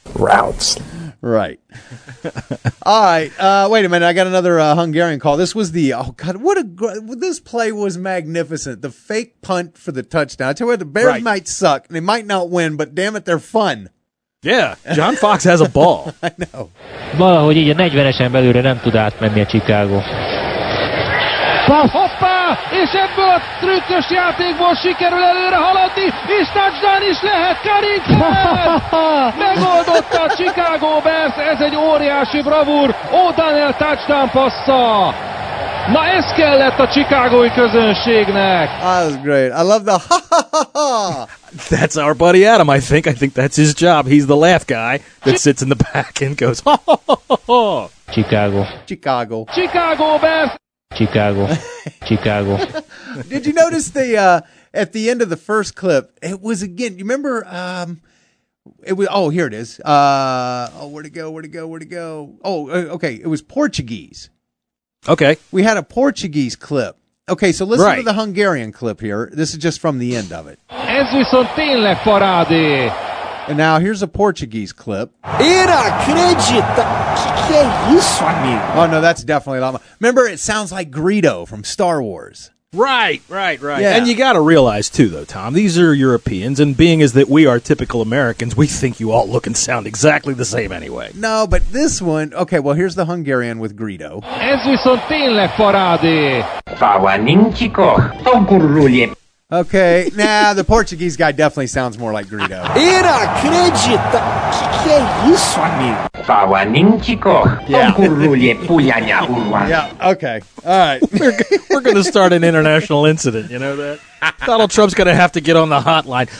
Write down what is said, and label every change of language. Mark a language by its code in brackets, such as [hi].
[en] Routes. Right. All right. Wait a minute. I got another Hungarian call. This was the... Oh, God. This play was magnificent. The fake punt for the touchdown. I tell you what, the Bears might suck. They might not win, but damn it, they're fun. Yeah. John Fox has a ball. I know. [hu] Valahogy így a 40-esen belülre nem tud átmenni a Chicago. Hoppá! És ebből a trükkös játékból sikerül előre haladni, és touchdown is lehet, Carrington! Megoldotta a Chicago Bears, ez egy óriási bravúr, O'Donnell touchdown passza! Na ez kellett a chicagói közönségnek! [en] That was great, I love the ha-ha-ha-ha! That's our buddy Adam, I think that's his job, he's the laugh guy that sits in the back and goes ha-ha-ha-ha! Chicago. Chicago. Chicago Bears! Chicago. Chicago. Did you notice the at the end of the first clip, it was again, you remember, here it is. Where'd it go? Oh, okay, it was Portuguese. Okay. We had a Portuguese clip. Okay, so listen to the Hungarian clip here. This is just from the end of it. [hu] Ez viszont tényleg parádé. [en] And now here's a Portuguese clip. Oh, no, that's definitely a lot. Remember, it sounds like Greedo from Star Wars. Right. Yeah. And you got to realize, too, though, Tom, these are Europeans, and being as that we are typical Americans, we think you all look and sound exactly the same anyway. No, but this one, okay, well, here's the Hungarian with Greedo. [hu] Ez viszont tényleg parádé. Fáva nincsiko. Tongurulje. [en] Okay, nah, the Portuguese guy definitely sounds more like Greedo. [pt] Inacredita! Que isso, amigo? Fala ninchico. [en] Yeah, okay. All right. We're going to start an international incident, you know that? Donald Trump's going to have to get on the hotline.